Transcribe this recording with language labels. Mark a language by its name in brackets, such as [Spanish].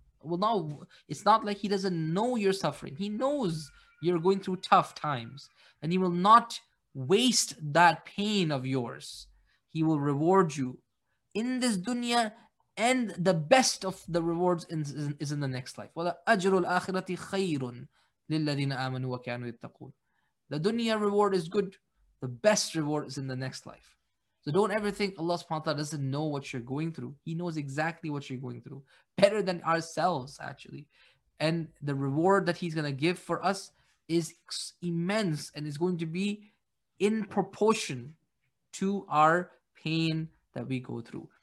[English] Well, no, it's not like He doesn't know you're suffering. He knows you're going through tough times. And He will not waste that pain of yours. He will reward you in this dunya, and the best of the rewards is in the next life. [Arabic] Well, أَجْرُ الْآخِرَةِ خَيْرٌ لِلَّذِينَ آمَنُوا وَكَانُوا يَتَّقُونَ. [English] The dunya reward is good. The best reward is in the next life. So don't ever think Allah subhanahu wa ta'ala doesn't know what you're going through. He knows exactly what you're going through, better than ourselves, actually. And the reward that He's going to give for us is immense and is going to be in proportion to our pain that we go through.